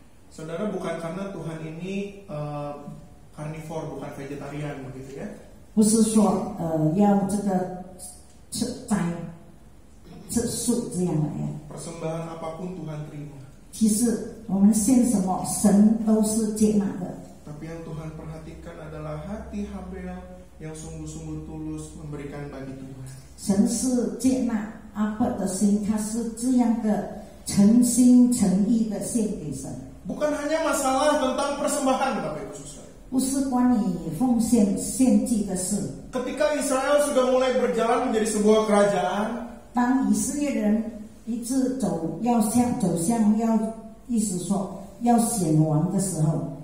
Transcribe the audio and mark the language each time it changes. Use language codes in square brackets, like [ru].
[id] Saudara, bukan karena Tuhan ini karnivor, bukan vegetarian begitu ya. [zh] 不是说, yang这个吃斋吃素这样的呀. [id] Persembahan apapun Tuhan terima. [zh] 其实我们献什么神都是接纳的. [id] Tapi yang Tuhan perhatikan adalah hati Habel yang sungguh-sungguh tulus memberikan bagi Tuhan. [zh] 神是接纳 Apa 的心，他是这样的诚心诚意的献给神。 [id] Bukan hanya masalah tentang persembahan, Bapak Ibu Saudara. [zh] 不是关于奉献献祭的事。 [id] Ketika Israel sudah mulai berjalan menjadi sebuah kerajaan, [zh] 当以色列人一直走，要向走向要，意思说要选王的时候。